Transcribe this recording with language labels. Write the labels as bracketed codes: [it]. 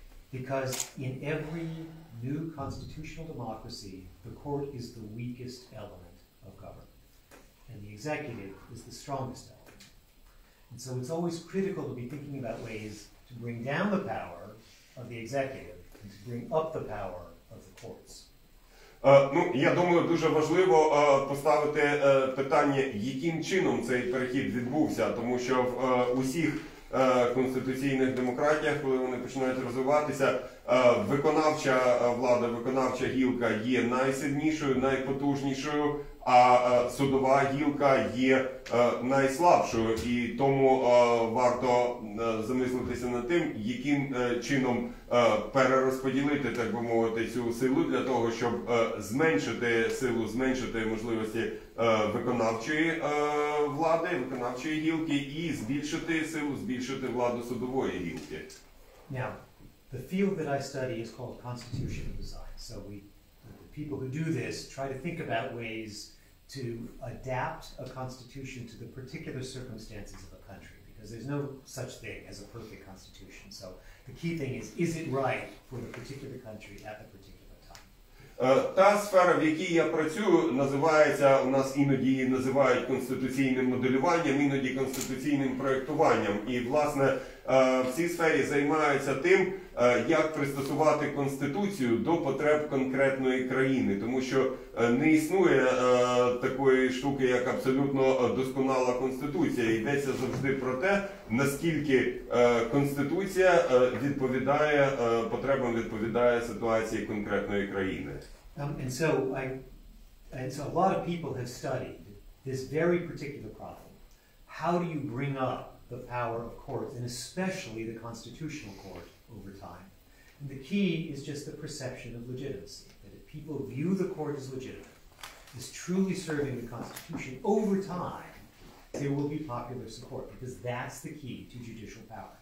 [en] Because in every new constitutional democracy, the court is the weakest element of government. And the executive is the strongest element. And so it's always critical to be thinking about ways to bring down the power of the executive and to bring up the power of the courts. [uk] Ну, я думаю, дуже важливо поставити питання, яким чином цей перехід відбувся, тому що в усіх конституційних демократіях, коли вони починають розвиватися, виконавча влада, виконавча гілка є найсильнішою, найпотужнішою, а судова гілка є найслабшою. І тому варто замислитися над тим, яким чином перерозподілити, так би мовити, цю силу для того, щоб зменшити силу, зменшити можливості виконавчої влади, виконавчої гілки, і збільшити силу, збільшити владу судової гілки. [en] Now, the field that I study is called constitutional design. So the people who do this try to think about ways to adapt a constitution to the particular circumstances of a country, because there's no such thing as a perfect constitution. So the key thing is it right for the particular country at the particular time? [uk] Та сфера, в якій я працюю, називається, у нас іноді її називають конституційним моделюванням, іноді конституційним проєктуванням. І, власне, в цій сфері займаються тим, як пристосувати Конституцію до потреб конкретної країни. Тому що не існує такої штуки, як абсолютно досконала Конституція. Йдеться завжди про те, наскільки Конституція відповідає потребам, відповідає ситуації конкретної країни. [en] And so a lot of people have studied this very particular problem. How do you bring up the power of courts, and especially the constitutional court, over time? And the key is just the perception of legitimacy, that if people view the court as legitimate, as truly serving the Constitution, over time, there will be popular support, because that's the key to judicial power.